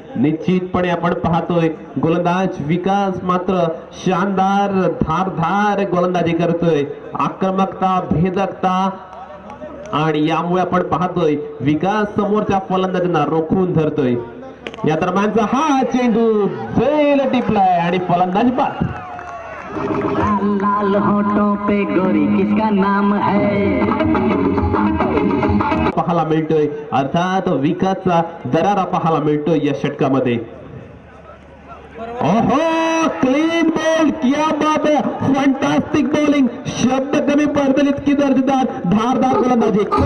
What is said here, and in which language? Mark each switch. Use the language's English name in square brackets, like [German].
[Marathi] निश्चितपणे आपण पाहतोय गोलंदाज विकास मात्र शानदार धारधार गोलंदाजी करतोय, आक्रमकता भेदकता, आणि यामुळे आपण पाहतोय विकास समोरच्या फलंदाजांना रोखून धरतोय। या दरम्यानचा हा चेंडू वेल टिपलाय आणि फलंदाज बाद। [Hindi] लाल होटो पे गोरी किसका नाम है, [Marathi] पाहायला मिळतोय अर्थात विकासचा दरारा पाहायला मिळतोय या षटकामध्ये। ओहो क्लीन बॉल, [Hindi] क्या बात है, [Marathi] फंटास्टिक बॉलिंग, शब्द कमी प्रचलित की दर्जेदार धारदार गोलंदाजी।